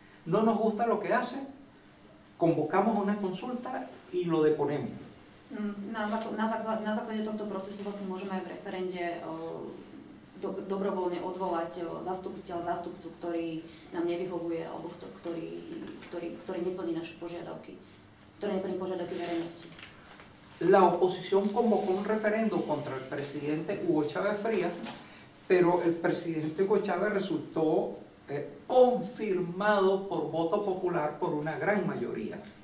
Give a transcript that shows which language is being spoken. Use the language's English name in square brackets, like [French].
[Spanish] No nos gusta lo que hace, convocamos una consulta y lo deponemos. [Slovak] Na základe tohto procesu vlastne môžeme aj v referende dobrovoľne odvolať zastupiteľa, zástupcu, ktorý nám nevyhovuje alebo ktorý neplní naše požiadavky, ktorý neplní požiadavky verejnosti. [Spanish] La oposición convocó un referendo contra el presidente Hugo Chávez Frías, pero el presidente Hugo Chávez resultó confirmado por voto popular por una gran mayoría.